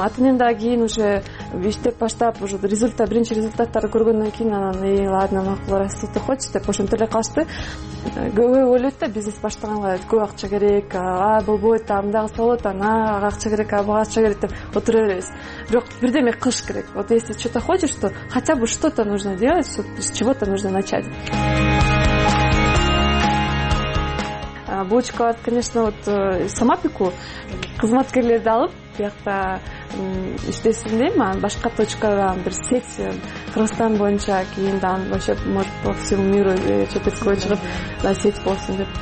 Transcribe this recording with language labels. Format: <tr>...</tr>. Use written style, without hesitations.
<ky>Ата-энем дагы кийин уже иштеп баштап, уже результат, биринчи результаттарды көргөндөн кийин анан ладно, макул,</ky> <ru>расту ты хочешь</ru> <ky>деп ошентип эле калышты. Көбү ойлойт да, бизнес баштаганга көп акча керек, болбойт, мындагысы болот, ага акча керек, буга акча керек деп отура беребиз. Бирок бирдеме кылыш керек.</ky> <ru>Вот если что-то хочешь, то хотя бы что-то нужно делать, что, с чего-то нужно начать.</ru> <ky>Булочка, конечно, вот сама пеку, кызматкерлер алып, биякта иштесин дейм, анан башка точкада бир сеть Кыргызстан боюнча, кийин дагы</ky> <ru>вообще может по всему миру</ru> <ky>чет элге чыгып сеть болсун деп.</ky>